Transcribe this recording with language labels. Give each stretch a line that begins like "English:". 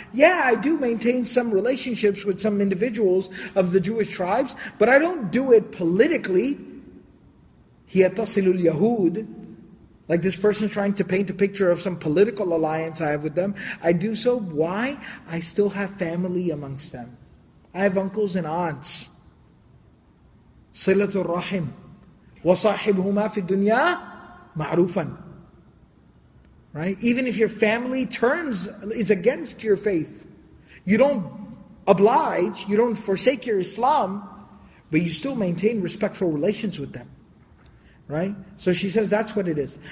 English: Yeah, I do maintain some relationships with some individuals of the Jewish tribes, but I don't do it politically.
Arabic: هِيَ تَصِلُ الْيَهُودِ.
English: Like this person trying to paint a picture of some political alliance I have with them. I do so, why? I still have family amongst them. I have uncles and aunts.
Arabic: صِلَةُ الرَّحِمْ وَصَاحِبْهُمَا فِي الدُّنْيَا Ma'rufan.
English: Right? Even if your family turns, is against your faith, you don't oblige, you don't forsake your Islam, but you still maintain respectful relations with them. Right? So she says that's what it is.